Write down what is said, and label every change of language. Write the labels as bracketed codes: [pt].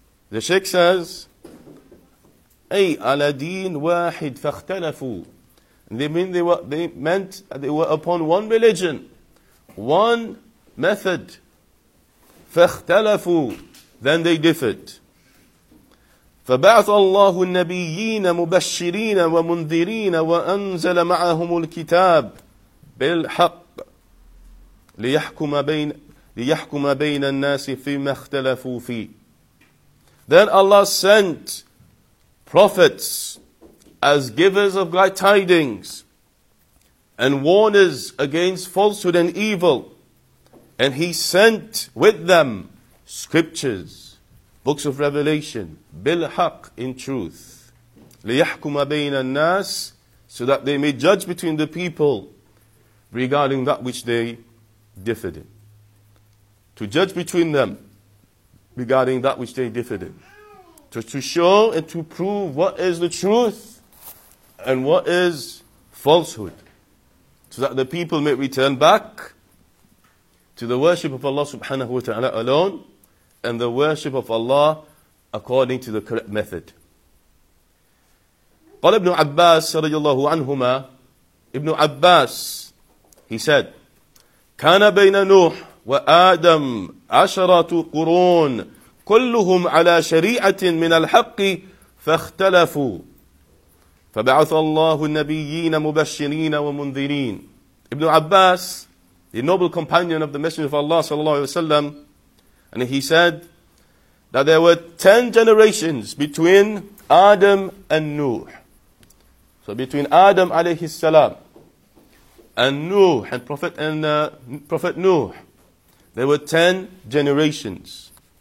[en] The Sheikh says, [ar] أي على دين واحد فاختلفوا. [en] They meant they were upon one religion, one method. فاختلفوا, then they differed. [ar] فبعث الله النبيين مبشرين ومنذرين وأنزل معهم الكتاب بالحق ليحكم بين الناس فيما اختلفوا فيه. [en] Then Allah sent prophets as givers of glad tidings and warners against falsehood and evil. And He sent with them scriptures, books of revelation, bilhaq, in truth. [ar] لِيَحْكُمَ بَيْنَ النَّاسِ, [en] so that they may judge between the people regarding that which they differed in. To judge between them regarding that which they differed in. To show and to prove what is the truth and what is falsehood. So that the people may return back to the worship of Allah subhanahu wa ta'ala alone and the worship of Allah according to the correct method. [ar] قال ابن عباس رضي الله عنهما ابن عباس [en] he said [ar] كان بين نوح وآدم عشرة قرون كلهم على شريعة من الحق فاختلفوا فبعث الله النبيين مبشرين ومنذرين. [en] ابن عباس, the noble companion of the Messenger of Allah [ar] صلى الله عليه وسلم, [en] and he said that there were 10 generations between Adam and Nuh. So between Adam alayhi salam and Nuh and Prophet Nuh, there were 10 generations.